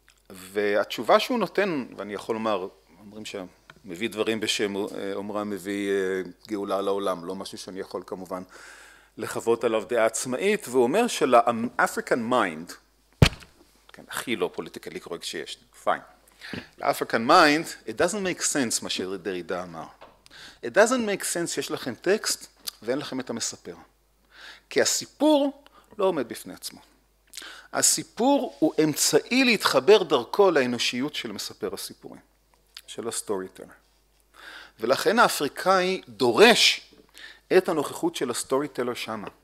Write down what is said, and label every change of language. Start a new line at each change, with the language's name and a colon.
Hebrew: והתשובה שהוא נותן, ואני יכול לומר, אומרים שמביא דברים בשם, אומרה מביא גאולה לעולם, לא משהו שאני יכול כמובן לחוות עליו דעה עצמאית, והוא אומר של ה-African mind, כן, הכי לא פוליטיקלי קורקט שיש, פיין.
English: ל-African mind, it doesn't make sense,
Hebrew: מה שדרידה אמר.
English: It doesn't make sense
Hebrew: שיש לכם טקסט ואין לכם את המספר. כי הסיפור לא עומד בפני עצמו. הסיפור הוא אמצעי להתחבר דרכו לאנושיות של מספר הסיפורים, של ה-storyteller. ולכן האפריקאי דורש את הנוכחות של ה-storyteller שם.